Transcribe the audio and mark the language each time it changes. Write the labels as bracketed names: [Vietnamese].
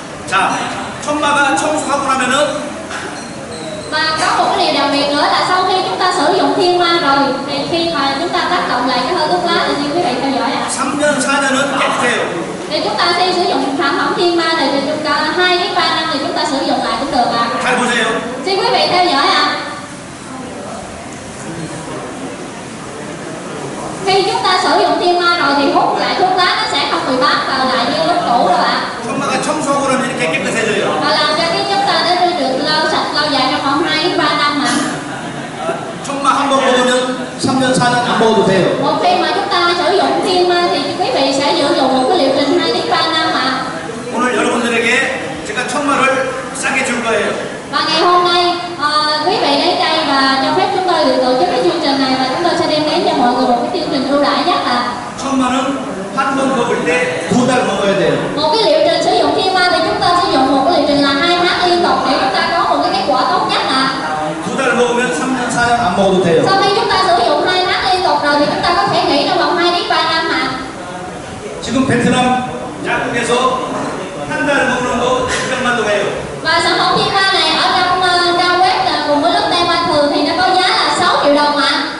[Korean] 자, 천마가 청소하고 나면은 [Vietnamese] và có một cái điều đặc biệt nữa là sau khi chúng ta sử dụng thiên ma rồi thì khi mà chúng ta tác động lại cái hơi thuốc lá thì xin quý vị theo dõi ạ. [Korean] 3년, 4년은 깨끗해요. [Vietnamese] Thì chúng ta sẽ sử dụng sản phẩm thiên ma này thì chúng ta 2 đến 3 năm thì chúng ta sử dụng lại cũng được ạ. Hãy [Korean] 보세요. [Vietnamese] Xin quý vị theo dõi ạ. Khi chúng ta sử dụng thiên ma rồi thì hút lại thuốc lá nó sẽ không bị bám vào lại như lúc cũ rồi ạ. [Korean] 천마가 청소하고 그러면 이렇게 깨끗해져요. [Vietnamese] Và làm cho cái chúng ta đã được lau sạch lâu dài trong khoảng 2 đến 3 năm ạ. [Korean] 천마 한 번 먹으면 3년 4년 안 먹어도 돼요. [Vietnamese] Một khi mà chúng ta sử dụng thiên ma thì quý vị sẽ sử dụng một cái liệu trình 2 đến 3 năm ạ. [Korean] 오늘 여러분들에게 제가 천마를 싸게 줄 거예요. [Vietnamese] Và ngày hôm nay quý vị đến đây và cho phép chúng tôi được tổ chức cái chương trình này và chúng tôi sẽ đem đến cho mọi người một cái chương trình ưu đãi nhất ạ. [Korean] 천마는 한 번 먹을 때 두 달 먹어야 돼요. [Vietnamese] Một cái liệu trình sử dụng thiên ma thì chúng ta sử dụng một cái liệu trình là 2 tháng liên tục để chúng ta có một cái kết quả tốt nhất ạ. [Korean] 두 달 먹으면 3년 4년 안 먹어도 돼요. [Vietnamese] Sau khi chúng ta sử dụng 2 tháng liên tục rồi thì chúng ta có thể nghỉ trong vòng 2 đến 3 năm ạ. [Korean] 지금 베트남 약국에서 한 달 먹는 거 200만도 해요. [Vietnamese] Và sản phẩm thiên ma này ở trong trang web cùng với lớp tem ma thường thì nó có giá là 6 triệu đồng ạ.